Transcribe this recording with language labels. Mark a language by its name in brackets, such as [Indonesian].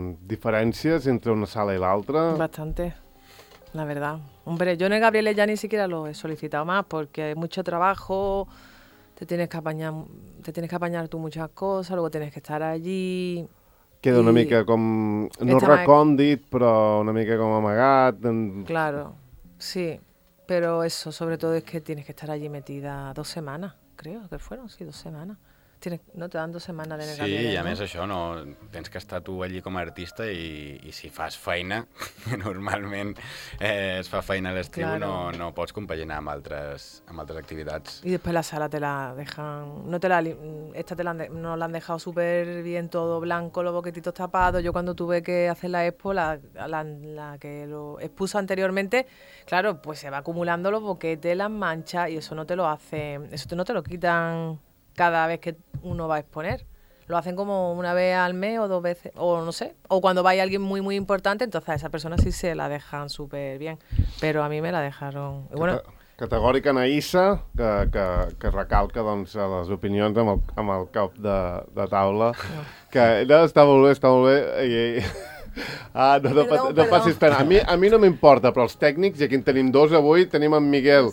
[Catalan] Diferències entre una sala i l'altra? [Spanish] Bastante, la verdad. Hombre, yo en el Gabrielet ya ni siquiera lo he solicitado más, porque hay mucho trabajo, te tienes que apañar tú muchas cosas, luego tienes que estar allí... [Catalan] Queda una mica com... No recòndit, però una mica com amagat. [Spanish] Claro, sí. Pero eso, sobre todo, es que tienes que estar allí metida 2 semanas, creo que fueron, sí, 2 semanas. No te dan [Catalan] 2 setmanes de negar. Sí, i a més això, no, tens que estar tu allí com a artista i si fas feina, normalment es fa feina a l'estiu, claro. no pots compaginar amb altres activitats. I després [Spanish] la sala te la dejan, no la han dejado súper bien, todo blanco, los boquetitos tapados. Yo cuando tuve que hacer la expo, la que lo expuso anteriormente, claro, pues se va acumulando los boquetes, las manchas, y eso no te lo hacen, eso no te lo quitan cada vez que uno va a exponer. Lo hacen como una vez al mes o 2 veces, o no sé. O cuando va alguien muy, muy importante, entonces a esa persona sí se la dejan súper bien. Pero a mí me la dejaron... Y bueno. [Catalan] Categòrica Naïssa, que recalca doncs, les opinions amb el cop de taula. No. Que no, està molt bé. I... Ah, no passis tant. A mi no m'importa, però els tècnics, i aquí en tenim dos avui, tenim en Miguel,